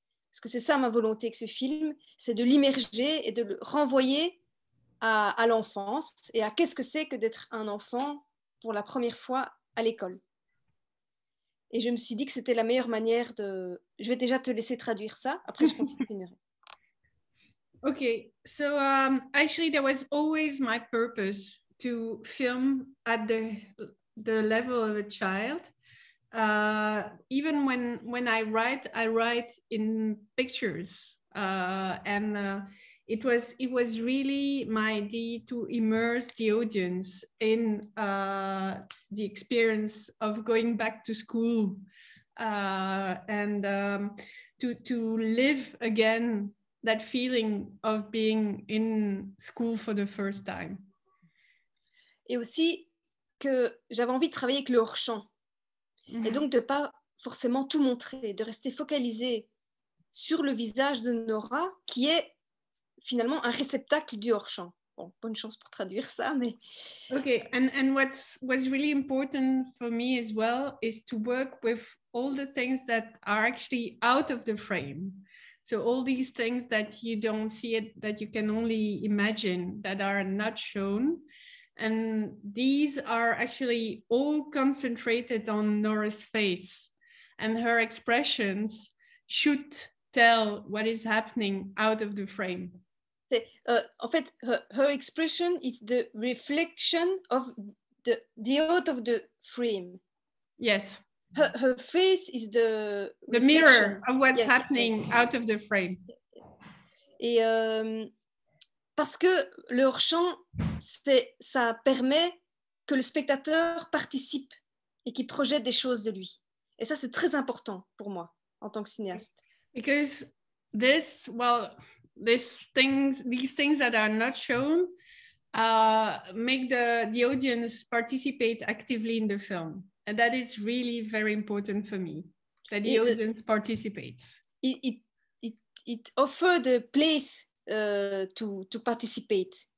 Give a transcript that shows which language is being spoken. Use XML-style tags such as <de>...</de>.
<fr>Parce que c'est ça ma volonté avec ce film, c'est de l'immerger et de le renvoyer à l'enfance, et à qu'est-ce que c'est que d'être un enfant pour la première fois à l'école. Et je me suis dit que c'était la meilleure manière de... Je vais déjà te laisser traduire ça, après je continuerai.</fr> <en>Okay, so actually there was always my purpose to film at the level of a child. Even when I write in pictures. It was really my idea to immerse the audience in the experience of going back to school and to live again that feeling of being in school for the first time.</en> <fr>Et aussi que j'avais envie de travailler avec le hors-champ. Mm-hmm. Et donc de pas forcément tout montrer, de rester focalisé sur le visage de Nora, qui est finalement un réceptacle du hors-champ. Bon, bonne chance pour traduire ça, mais...</fr> <en>Okay, and what was really important for me as well is to work with all the things that are actually out of the frame. So all these things that you don't see it, that you can only imagine, that are not shown. And these are actually all concentrated on Nora's face, and her expressions should tell what is happening out of the frame.</en> <fr>En fait,</fr> <en>her expression is the reflection of the out of the frame. Yes. Her face is the reflection. Mirror of what's yes. happening yes. out of the frame.</en> <fr>Et parce que le hors-champ, ça permet que le spectateur participe et qu'il projette des choses de lui. Et ça, c'est très important pour moi en tant que cinéaste.</fr> <en>Because this, well, these things that are not shown make the audience participate actively in the film. And that is really very important for me, that the audience participates. It offers the place to participate.</en>